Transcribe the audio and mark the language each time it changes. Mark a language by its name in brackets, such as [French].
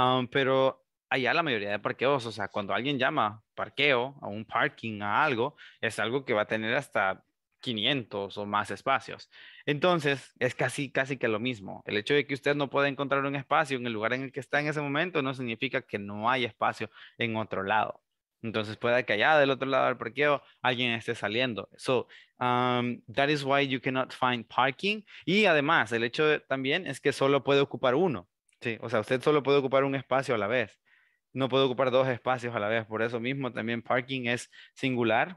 [Spanish] Pero allá la mayoría de parqueos, o sea, cuando alguien llama parqueo a un parking a algo, es algo que va a tener hasta 500 o más espacios. Entonces, es casi que lo mismo. El hecho de que usted no pueda encontrar un espacio en el lugar en el que está en ese momento no significa que no haya espacio en otro lado. Entonces, puede que allá del otro lado del parqueo alguien esté saliendo. [English] So, that is why you cannot find parking. [Spanish] Y además, el hecho también es que solo puede ocupar uno. Sí, o sea, usted solo puede ocupar un espacio a la vez. No puede ocupar dos espacios a la vez. Por eso mismo, también parking es singular.